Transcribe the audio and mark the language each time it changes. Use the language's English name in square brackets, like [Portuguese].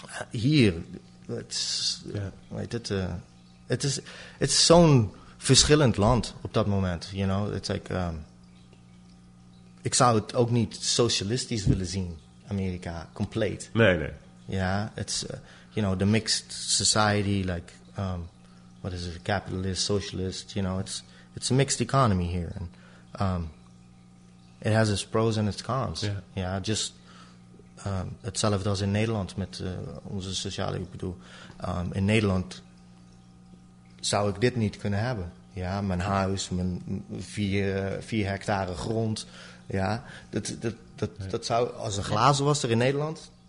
[Dutch] Hier, het is zo'n verschillend land op dat moment, [English] you know. It's like, [Dutch] ik zou het ook niet socialistisch willen zien, Amerika, compleet. Nee. [English] Ja, it's, you know, the mixed society, like... [Dutch] wat is het, [English] capitalist, socialist, you know, it's a mixed economy here. And, it has its pros and its cons. Yeah. [Dutch] Ja, just hetzelfde als in Nederland met onze sociale, ik bedoel, in Nederland zou ik dit niet kunnen hebben. Ja, mijn huis, mijn 4 hectare grond, ja, dat zou, als er glazen was er in Nederland...